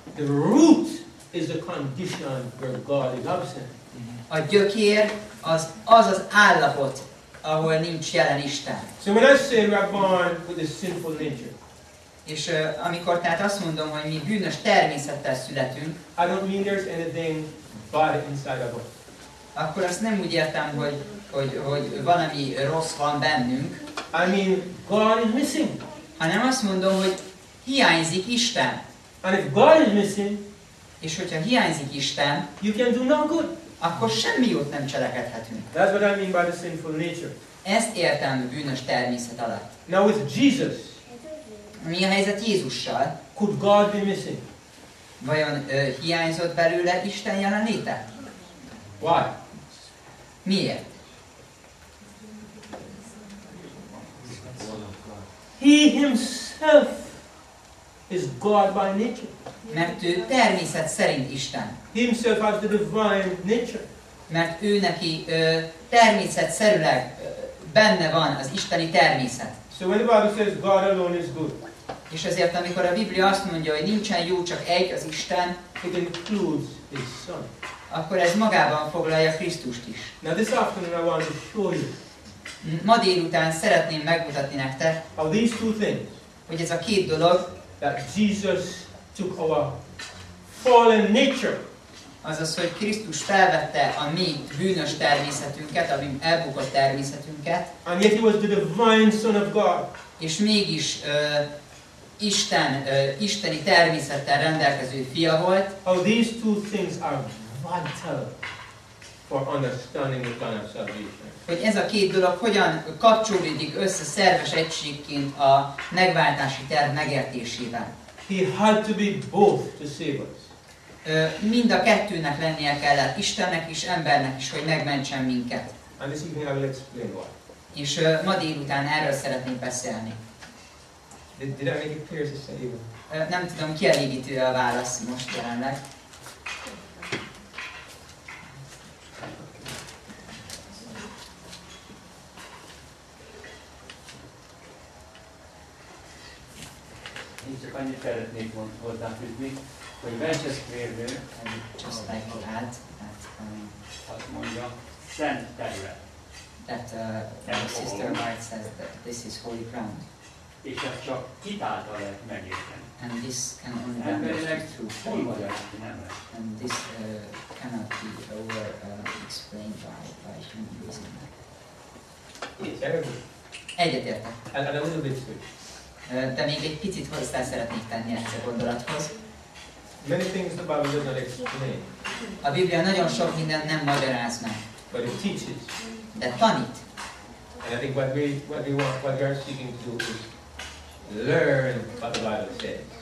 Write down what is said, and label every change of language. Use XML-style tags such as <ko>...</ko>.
<en>The root is the condition where God is absent.</en> <hu>A gyökér az állapot, ahol nincs jelen Isten.</hu> <en>So when I say we are born with a sinful nature.</en> <hu>És amikor tehát azt mondom, hogy mi bűnös természettel születünk.</hu> <en>I don't mean there's anything bad inside of us.</en> <hu>Akkor azt nem úgy értem, hogy valami rossz van bennünk.</hu> <en>I mean God is missing.</en> <hu>Hanem azt mondom, hogy hiányzik Isten.</hu> <en>And if God is missing,</en> <hu>és hogyha hiányzik Isten,</hu> <en>you can do no good.</en> <hu>Akkor semmi jót nem cselekedhetünk.</hu> <en>That's what I mean by the sinful nature.</en> <hu>Ezt értem bűnös természet alatt.</hu> <en>Now with Jesus.</en> <hu>Mi a helyzet Jézussal?</hu> <en>Could God be missing?</en> <hu>Vajon hiányzott belőle Isten jelenléte?</hu> <en>Why?</en> <hu>Miért?</hu> <en>He himself is God by nature.</en> <hu>Mert ő természet szerint Isten.</hu> <en>Himself has the divine nature.</en> <hu>Mert ő neki természet szerűleg benne van az isteni természet.</hu> <en>So when the Bible says God alone is good.</en> <hu>És ezért, amikor a Biblia azt mondja, hogy nincsen jó, csak egy az Isten,</hu> <en>it includes His Son.</en> <hu>Akkor ez magában foglalja Krisztust is.</hu> <en>Now this afternoon I want to show you.</en> <hu>Ma délután szeretném megmutatni nektek.</hu> <en>How these two things.</en> <hu>Hogy ez a két dolog.</hu> <en>That Jesus took our fallen nature.</en> <hu>Azaz, hogy Krisztus felvette a mi bűnös természetünket, a mi elbukott természetünket.</hu> <en>And yet he was the divine Son of God.</en> <hu>És mégis Isten, isteni természettel rendelkező fia volt.</hu> <en>How these two things are vital for understanding the plan of salvation.</en> <hu>Hogy ez a két dolog hogyan kapcsolódik össze szerves egységként a megváltási terv megértésével.</hu> <en>He had to be both to save us.</en> <hu>Mind a kettőnek lennie kellett, Istennek is, embernek is, hogy megmentsen minket.</hu> <en>And this evening I will explain why.</en> <hu>És ma délután erről szeretnék beszélni.</hu> <en>Did I make it clear to say even?</en> <hu>Nem tudom, kielégítő a válasz most jelenleg. Én csak annyit szeretnék hozzáfűzni, hogy Manchesterben, azt mondja, szent terület.</hu> <en>That sister Mike says that this is holy ground.</en> <hu>És ez csak kitáltal lehet megérteni.</hu> <en>And this can only be understood through faith. And this cannot be over explained by human reason. Yes,</en> <hu>egyetértek.</hu> <en>And a little bit switch.</en> <hu>De még egy picit hozzá szeretnék tenni ezt a gondolathoz.</hu> <en>Many things the Bible does not explain.</en> <hu>A Biblia nagyon sok mindent nem magyaráz meg.</hu> <en>But it teaches.</en> <hu>De tanít.</hu> <en>And I think what we are seeking to do is learn what the Bible says.</en>